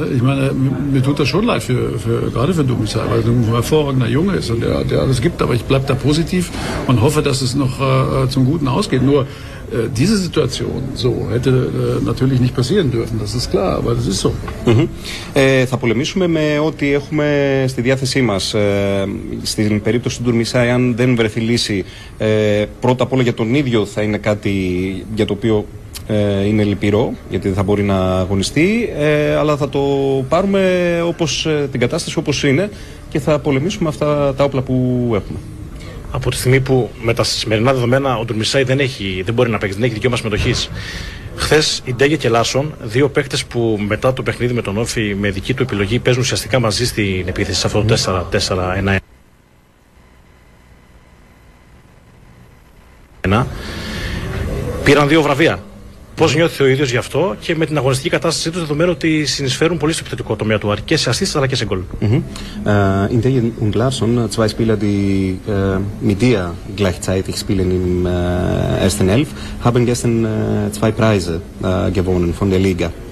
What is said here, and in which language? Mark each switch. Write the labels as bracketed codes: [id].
[de] Ich meine, mir tut das schon leid, gerade für Dumisai, weil er ein hervorragender Junge ist und der alles gibt. Aber ich bleibe da positiv und hoffe, dass es noch zum Guten ausgeht. Nur diese Situation so hätte natürlich nicht passieren dürfen. Das ist klar, aber das ist so. [el] Θα πολεμήσουμε με ό,τι έχουμε στη διάθεσή μας. Στην περίπτωση του Ντουρμισάη, αν δεν βρεθεί λύση, πρώτα απ' όλα για τον ίδιο θα είναι κάτι για το οποίο είναι λυπηρό, γιατί δεν θα μπορεί να αγωνιστεί, αλλά θα το πάρουμε όπως την κατάσταση όπως είναι και θα πολεμήσουμε αυτά τα όπλα που έχουμε. Από τη στιγμή που με τα σημερινά δεδομένα ο Ντουρμισάη δεν μπορεί να παίξει, δεν έχει δικαίωμα συμμετοχής. Χθες η Ντέγε και Λάσον, δύο παίκτες που μετά το παιχνίδι με τον Όφη με δική του επιλογή παίζουν ουσιαστικά μαζί στην επίθεση σε αυτό το 4-4-1-1, πήραν δύο βραβεία. Πώς νιώθει ο ίδιος γι' αυτό και με την αγωνιστική κατάστασή τους, δεδομένου ότι συνεισφέρουν πολύ στο επιθετικό τομέα του Άρη και σε ασίστ αλλά και σε γκολ. [de] In Ντέγε und Λάρσον, zwei Spieler, die mit dir gleichzeitig spielen im ersten Elf, haben gestern zwei Preise gewonnen von der Liga.